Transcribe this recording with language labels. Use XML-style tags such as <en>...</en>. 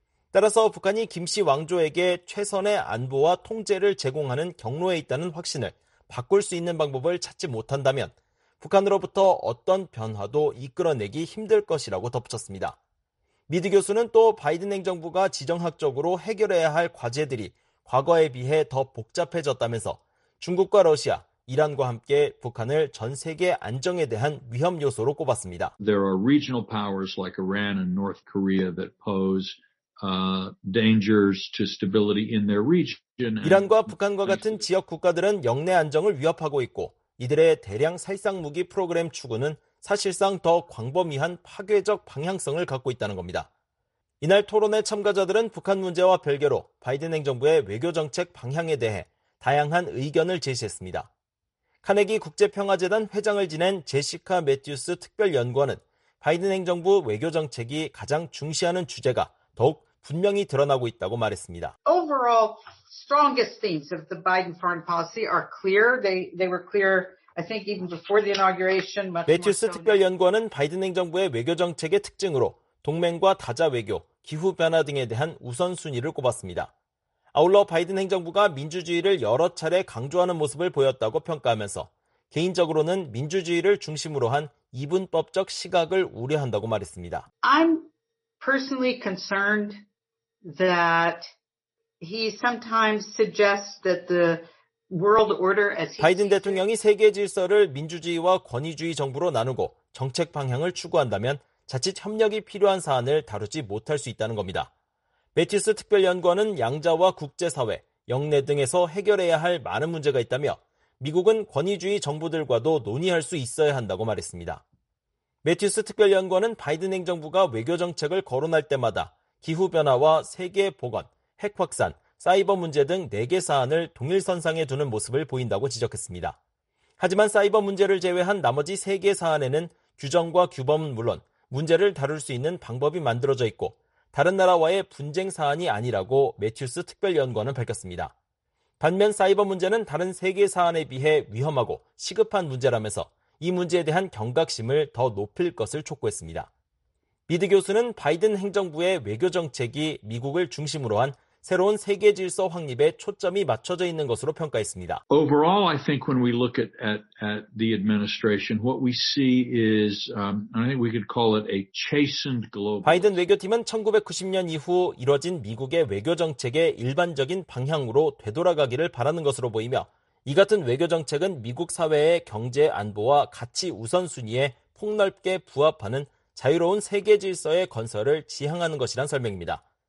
<ko>따라서 북한이 김씨 왕조에게 최선의 안보와 통제를 제공하는 경로에 있다는 확신을 바꿀 수 있는 방법을 찾지 못한다면 북한으로부터 어떤 변화도 이끌어내기 힘들 것이라고 덧붙였습니다. 미드 교수는 또 바이든 행정부가 지정학적으로 해결해야 할 과제들이 과거에 비해 더 복잡해졌다면서 중국과 러시아, 이란과 함께 북한을 전 세계 안정에 대한 위험 요소로 꼽았습니다.</ko> <en>There are regional powers like Iran and North Korea that pose dangers to stability in their region.</en> <ko>이란과 북한과 같은 지역 국가들은 역내 안정을 위협하고 있고 이들의 대량 살상 무기 프로그램 추구는 사실상 더 광범위한 파괴적 방향성을 갖고 있다는 겁니다. 이날 토론회 참가자들은 북한 문제와 별개로 바이든 행정부의 외교정책 방향에 대해 다양한 의견을 제시했습니다. 카네기 국제평화재단 회장을 지낸 제시카 매튜스 특별연구원은 바이든 행정부 외교정책이 가장 중시하는 주제가 더욱 분명히 드러나고 있다고 말했습니다.</ko> <en>Overall, strongest themes of the Biden foreign policy are clear. They were clear. I think even before the inauguration.</en> <ko>매튜스 특별연구원은 바이든 행정부의 외교정책의 특징으로 동맹과 다자 외교, 기후 변화 등에 대한 우선순위를 꼽았습니다. 아울러 바이든 행정부가 민주주의를 여러 차례 강조하는 모습을 보였다고 평가하면서 개인적으로는 민주주의를 중심으로 한 이분법적 시각을 우려한다고 말했습니다.</ko> <en>I'm personally concerned that he sometimes suggests that the world order as he</en> <ko>바이든 대통령이 세계 질서를 민주주의와 권위주의 정부로 나누고 정책 방향을 추구한다면 자칫 협력이 필요한 사안을 다루지 못할 수 있다는 겁니다. 매티스 특별연구원은 양자와 국제사회, 역내 등에서 해결해야 할 많은 문제가 있다며 미국은 권위주의 정부들과도 논의할 수 있어야 한다고 말했습니다. 매티스 특별연구원은 바이든 행정부가 외교정책을 거론할 때마다 기후변화와 세계 보건, 핵 확산, 사이버 문제 등 4개 사안을 동일선상에 두는 모습을 보인다고 지적했습니다. 하지만 사이버 문제를 제외한 나머지 3개 사안에는 규정과 규범은 물론 문제를 다룰 수 있는 방법이 만들어져 있고 다른 나라와의 분쟁 사안이 아니라고 매튜스 특별연구원은 밝혔습니다. 반면 사이버 문제는 다른 3개 사안에 비해 위험하고 시급한 문제라면서 이 문제에 대한 경각심을 더 높일 것을 촉구했습니다. 미드 교수는 바이든 행정부의 외교 정책이 미국을 중심으로 한 새로운 세계 질서 확립에 초점이 맞춰져 있는 것으로 평가했습니다.</ko> <en>Overall, I think when we look at the administration, what we see is, I think we could call it a chastened globalist.</en> <ko>바이든 외교팀은 1990년 이후 이뤄진 미국의 외교 정책의 일반적인 방향으로 되돌아가기를 바라는 것으로 보이며, 이 같은 외교 정책은 미국 사회의 경제 안보와 가치 우선순위에 폭넓게 부합하는 자유로운 세계 질서의 건설을 지향하는 것이란 설명입니다.</ko>